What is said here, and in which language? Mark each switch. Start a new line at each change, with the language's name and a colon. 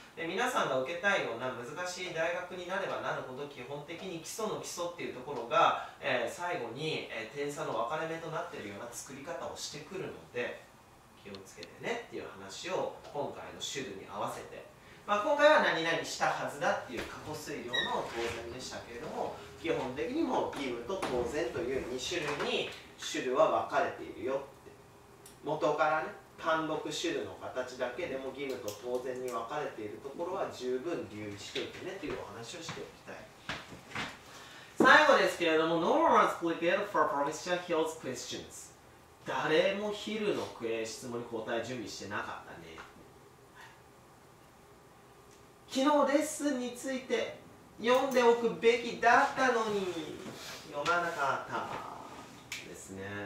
Japanese: で、皆さんが受けたいような難しい大学になればなるほど基本的に基礎の基礎っていうところが、最後に、点差の分かれ目となっているような作り方をしてくるので、気をつけてねっていう話を今回の週に合わせて、まあ、今回は何々したはずだっていう過去推量の当然でしたけれども、基本的にも義務と当然という2種類に種類は分かれているよって、元からね単独種類の形だけでも義務と当然に分かれているところは十分留意しておいてねっていうお話をしておきたい。最後ですけれども、
English: No one has prepared for Professor Hill's questions。
Japanese: 誰もヒルの質問に答え準備してなかったね。昨日レッスンについて読んでおくべきだったのに読まなかったですね。